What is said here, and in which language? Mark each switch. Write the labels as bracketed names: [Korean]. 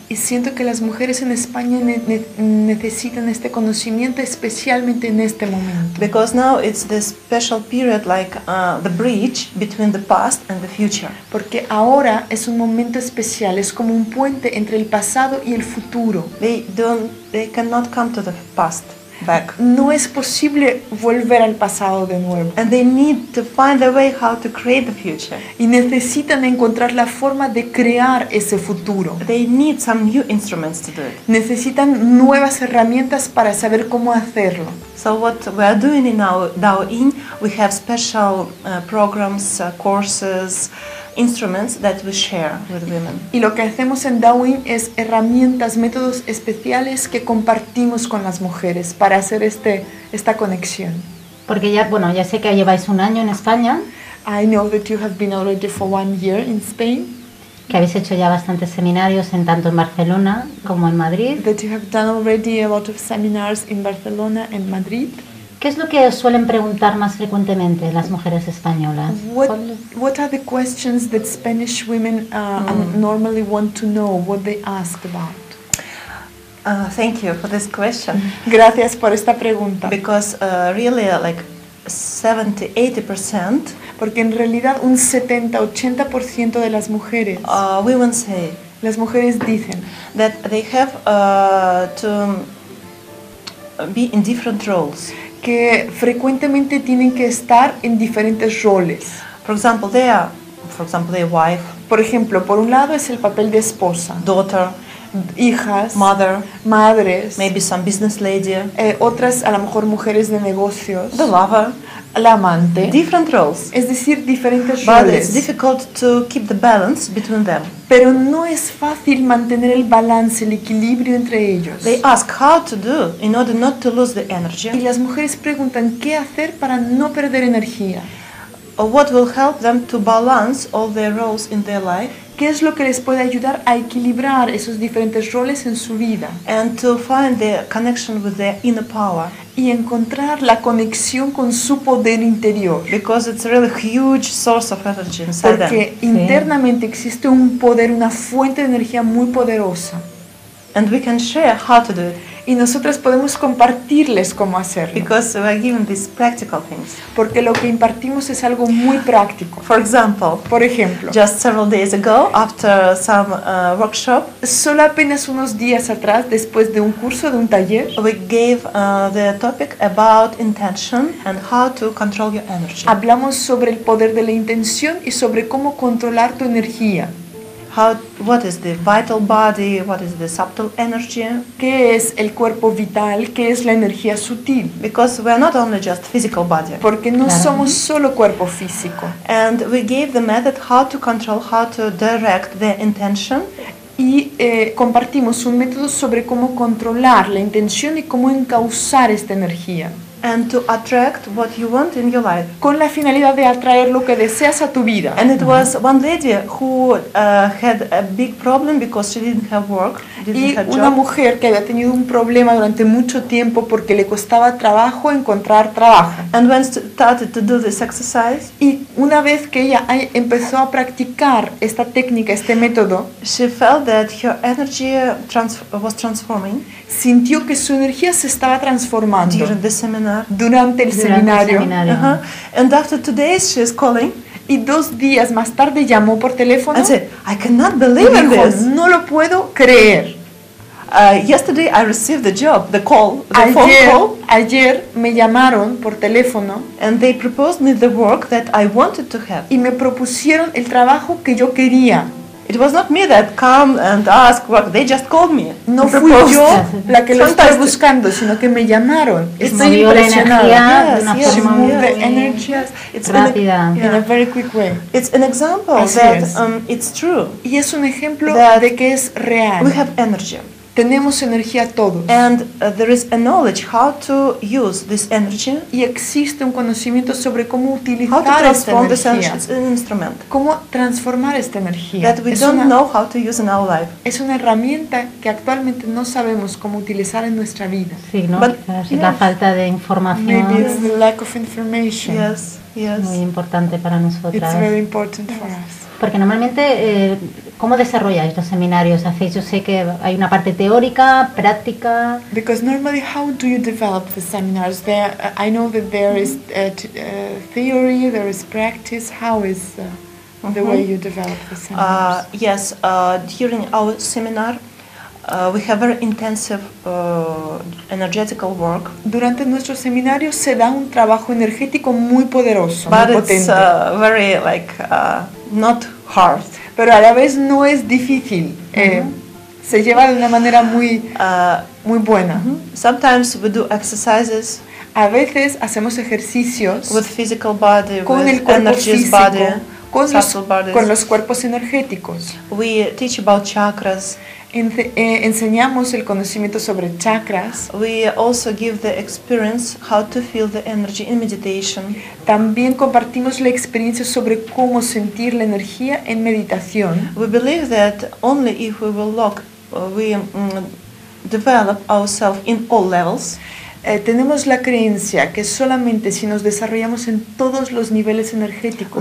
[Spanish] Y siento que las mujeres en España necesitan este conocimiento especialmente en este momento. [English] Because now it's this special period, like the bridge between the past and the future. [Spanish] Porque ahora es un momento especial, es como un puente entre el pasado y el futuro. [English] They cannot come to the past. Back. [Spanish] No es posible volver al pasado de nuevo. [English] And they need to find a way how to create the future. [Spanish] Y necesitan encontrar la forma de crear ese futuro. [English] They need some new instruments to do it. [Spanish] Necesitan nuevas herramientas para saber cómo hacerlo. [English] So what we are doing in our Daoin, we have special programs, courses, instruments that we share with women. [Spanish] Y lo que hacemos en Daoin es herramientas, métodos especiales que compartimos con las mujeres para hacer esta conexión. Porque ya, bueno, ya sé que lleváis un año en España. [English] I know that you have been already for 1 year in Spain. [Spanish] Que habéis hecho ya bastantes seminarios en tanto en Barcelona como en Madrid. [English] That you have done already a lot of seminars in Barcelona and Madrid. [Spanish] ¿Qué es lo que suelen preguntar más frecuentemente las mujeres españolas? [English] What are the questions that Spanish women normally want to know, what they ask about? Thank you for this question. [Spanish] Gracias por esta pregunta. [English] Because really like 70-80%, [Spanish] porque en realidad un 70-80% de las mujeres [English] women say, [Spanish] las mujeres dicen [English] that they have to be in different roles. [Spanish] Que frecuentemente tienen que estar en diferentes roles. [English] For example, they are wife. [Spanish] Por ejemplo, por un lado es el papel de esposa, [English] daughter, [Spanish] hijas, [English] mother, [Spanish] madres, [English] maybe some business lady, [Spanish] otras a lo mejor mujeres de negocios, [English] the lover, [Spanish] la amante. [English] Different roles. [Spanish] Es decir, diferentes roles. [English] But it's difficult to keep the balance between them. [Spanish] Pero no es fácil mantener el balance, el equilibrio entre ellos. [English] They ask how to do in order not to lose the energy. [Spanish] Y las mujeres preguntan qué hacer para no perder energía. [English] Or what will help them to balance all their roles in their life. [Spanish] ¿Qué es lo que les puede ayudar a equilibrar esos diferentes roles en su vida? [English] And to find their connection with their inner power. [Spanish] Y encontrar la conexión con su poder interior. [English] Because it's a really huge source of energy inside them. [Spanish] Porque internamente existe un poder, una fuente de energía muy poderosa. [English] And we can share how to do it. [Spanish] Y nosotras podemos compartirles cómo hacerlo. [English] Because we are giving these practical things. [Spanish] Porque lo que impartimos es algo muy práctico. [English] For example, [Spanish] por ejemplo, [English] just several days ago, after some workshop, [Spanish] solo apenas unos días atrás, después de un curso, de un taller, [English] we gave the topic about intention and how to control your energy. [Spanish] Hablamos sobre el poder de la intención y sobre cómo controlar tu energía. [English] What is the vital body? What is the subtle energy? [Spanish] ¿Qué es el cuerpo vital? ¿Qué es la energía sutil? [English] Because we are not only just physical body. [Spanish] Porque no somos solo cuerpo físico. [English] And we gave the method how to control, how to direct the intention. [Spanish] Y compartimos un método sobre cómo controlar la intención y cómo encauzar esta energía. [English] And to attract what you want in your life. [Spanish] Con la finalidad de atraer lo que deseas a tu vida. [English] And it was one lady who had a big problem because she didn't have work, [Spanish] y una mujer que había tenido un problema durante mucho tiempo porque le costaba trabajo encontrar trabajo. [English] And when she started to do this exercise, [Spanish] y una vez que ella empezó a practicar esta técnica, este método, [English] she felt that her energy was transforming. [Spanish] Sintió que su energía se estaba transformando [English] during the seminar, [Spanish] durante el seminario. [English] Uh-huh. And after 2 days she is calling, [Spanish] y 2 días más tarde llamó por teléfono [English] and said, I cannot believe [Spanish] dijo, [English] this. [Spanish] No lo puedo creer. [English] Yesterday I received the job, the call, the [Spanish] ayer, [English] phone call. [Spanish] Ayer me llamaron por teléfono [English] and they proposed me the work that I wanted to have. [Spanish] Y me propusieron el trabajo que yo quería. [English] It was not me that come and ask work. They just called me. [Spanish] No fui yo la que lo estaba buscando, sino que me llamaron. Estoy impresionada. [English] Yes, she moved the energy. It's in a very quick way. It's an example that it's true. [Spanish] Y es un ejemplo de que es real. [English] We have energy. [Spanish] Tenemos energía todos. [English] And there is a knowledge how to use this energy. [Spanish] Y existe un conocimiento sobre cómo utilizar [English] how to transform [Spanish] esta energía. [English] This energy. It's an instrument. [Spanish] Cómo transformar esta energía. [English] That we don't know how to use in our life. [Spanish] Es una herramienta que actualmente no sabemos cómo utilizar en nuestra vida. Sí, ¿no? [English] But, [Spanish] la falta de información. [English] Maybe it's the lack of information. Yes, yes. [Spanish] Muy importante para nosotras. [English] It's very important for us. [Spanish] Porque normalmente, ¿cómo desarrolláis los seminarios? ¿Hacéis? Yo sé que hay una parte teórica, práctica. [English] Because normally, how do you develop the seminars? There, I know that there is theory, there is practice. How is the way you develop the seminars? Yes, during our seminar, we have very intensive energetical work. [Spanish] Durante nuestro seminario se da un trabajo energético muy poderoso, muy potente. [English] But it's very like not hard. [Spanish] Pero a la vez no es difícil. Se lleva de una manera muy muy buena. [English] Sometimes we do exercises. [Spanish] A veces hacemos ejercicios [English] with physical body, [Spanish] con [English] with [Spanish] el cuerpo [English] energy [Spanish] físico, [English] body, [Spanish] con los cuerpos energéticos. [English] We teach about chakras. [Spanish] Enseñamos el conocimiento sobre chakras. [English] We also give the experience how to feel the energy in meditation. [Spanish] También compartimos la experiencia sobre cómo sentir la energía en meditación. [English] We believe that only if we will look, we develop ourselves in all levels. [Spanish] Tenemos la creencia que solamente si nos desarrollamos en todos los niveles energéticos,